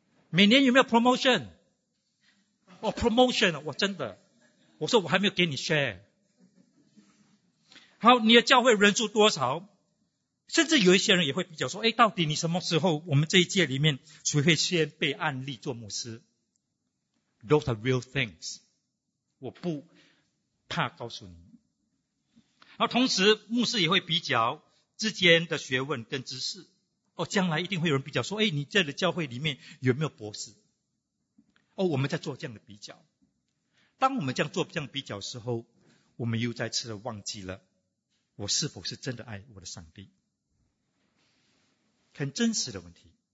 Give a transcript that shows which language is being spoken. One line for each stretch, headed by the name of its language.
Chinese: 每年有没有 promotion？ 哦 ，promotion， 我真的，我说我还没有给你 share。好，你的教会人数多少？甚至有一些人也会比较说，哎，到底你什么时候我们这一届里面谁会先被案例做牧师？
English: Those are real things，
Chinese: 我不怕告诉你。然后同时牧师也会比较之间的学问跟知识，哦，将来一定会有人比较说，哎，你这里教会里面有没有博士？哦，我们在做这样的比较。当我们这样做这样的比较的时候，我们又再次的忘记了我是否是真的爱我的上帝，很真实的问题。